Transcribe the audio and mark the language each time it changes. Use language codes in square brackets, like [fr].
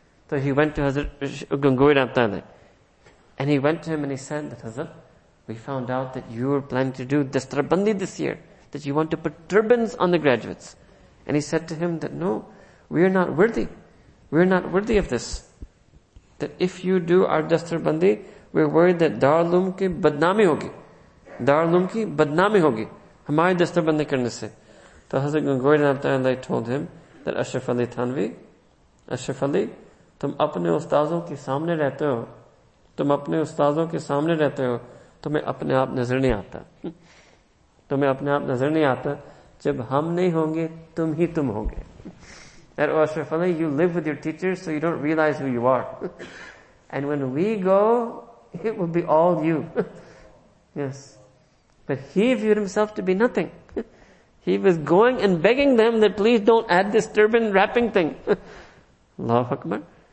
[en] So he went to Hazrat Gungurid Amtali. And he went to him and he said, that Hazrat, we found out that you were planning to do Dastar Bandi this year, that you want to put turbans on the graduates. And he said to him that, no, we are not worthy. We are not worthy of this. That if you do our Dastar Bandi, we are worried that [ur] Darul Uloom کی بدنامی ہوگی۔ دارالعلوم کی بدنامی ہوگی۔ ہماری دستار بندی کرنے سے۔ [en] So Hazrat Gungurid Amtali told him that Ashraf Ali Thanvi, [ur] Ashraf Ali, تم اپنے استاذوں کے سامنے رہتے ہو۔ تم اپنے استاذوں کے سامنے رہتے ہو۔ تمہیں اپنے آپ نظر نہیں آتا۔ تمہیں اپنے آپ نظر نہیں آتا۔ جب ہم نہیں ہوں گے، تم ہی تم ہوں گے۔ [en] That, oh Ashraf Ali, you live with your teachers, so you don't realize who you are. And when we go, it will be all you. Yes. But he viewed himself to be nothing. He was going and begging them that please don't add this turban wrapping thing. Allahu Akbar.